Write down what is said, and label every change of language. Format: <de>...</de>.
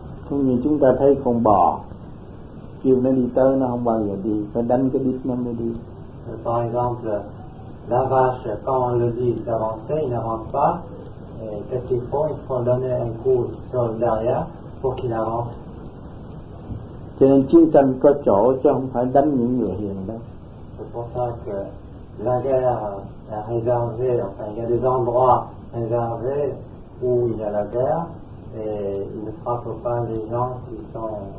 <vi>Không như chúng ta thấy con bò kêu nó đi tới nó không bao giờ đi, phải đánh cái đít nó mới đi.</vi> <fr>Par exemple, la vache, quand on le dit d'avancer, il n'avance pas. Et qu'est-ce qu'il faut? Il faut donner un coup sur le derrière pour qu'il avance.</fr> <vi>Cho nên chiến tranh có chỗ chứ không phải đánh những người hiền đâu.</vi> <fr>C'est pour ça que la guerre est réservée, enfin, il y a des endroits préservé où il y a la guerre et il ne frappe pas les gens qui sont</fr>